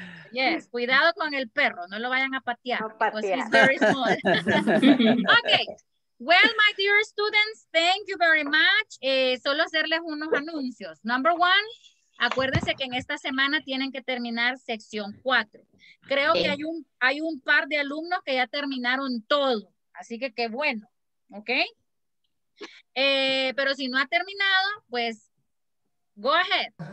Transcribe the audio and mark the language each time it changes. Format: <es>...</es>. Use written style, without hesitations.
<es>Yes, cuidado con el perro, no lo vayan a patear.</es> <en>Because he's very small. Okay, well, my dear students, thank you very much.</en> <es>Solo hacerles unos anuncios.</es> <en>Number one,</en> <es>acuérdense que en esta semana tienen que terminar sección 4. Creo que hay un par de alumnos que ya terminaron todo, así que qué bueno, ¿ok? Pero si no ha terminado, pues,</es> <en>go ahead.</en>